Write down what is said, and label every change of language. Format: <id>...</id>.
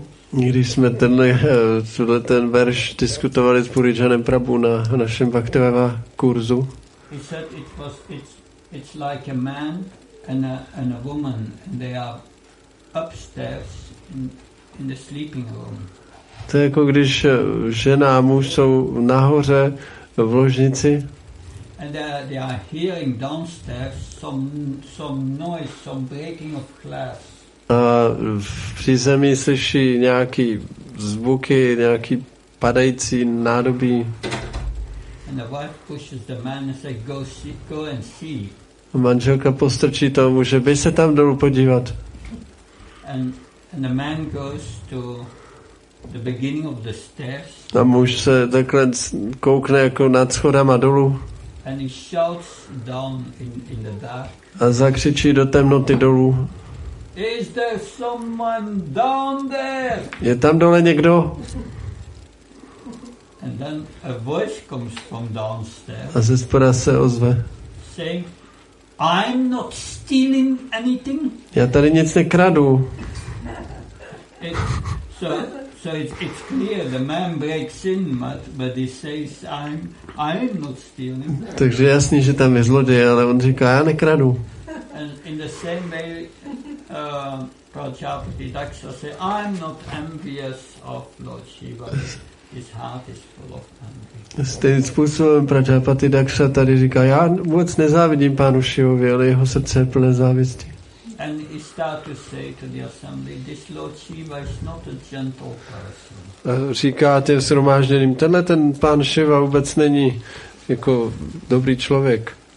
<cs>Když jsme ten verš diskutovali s Buridžanem Prabhu na našem Bhaktivaiva kurzu.</cs> <en>He said it's like a man and a woman and they are upstairs in the sleeping room.</en> <cs>To je jako když žena a muž jsou nahoře v ložnici.</cs> <en>And they are hearing downstairs some noise, some breaking of glass.</en> <cs>A v přízemí slyší nějaký zvuky, nějaký padající nádobí.</cs> <en>And the wife pushes the man and says, go and see.</en> <cs>A manželka postrčí tomu, že by se tam dolů podívat.</cs> <en>And the man goes to the beginning of the stairs.</en> <cs>A muž se takhle koukne jako nad schodama dolů.</cs> <en>And he shouts down in the dark.</en> <cs>A zakřičí do temnoty dolů.</cs> <en>Is there someone down there?</en> <cs>Je tam dole někdo?</cs> <en>And then a voice comes from downstairs.</en> <cs>A ze spoda se ozve.</cs> <en>Saying, I'm not stealing anything.</en> <cs>Já tady nic nekradu.</cs> <en>So it's clear the man breaks in, but he says I'm not stealing.</en> <cs>Takže jasný, že tam je zloděj, ale on říká, já nekradu.</cs> <en>And in the same way, Prajapati Daksha says, I'm not envious of Lord Shiva. His heart is full of envy.</en> <cs>Stejným způsobem Prajapati Daksha tady říká, já vůbec nezávidím pánu Šivovi, ale jeho srdce je plné závisti.</cs> <en>And he starts to say to the assembly, this Lord Shiva is not a gentle person.</en> <cs>A říká těm shromážděným, tenhle ten pán Shiva vůbec není jako dobrý člověk.</cs>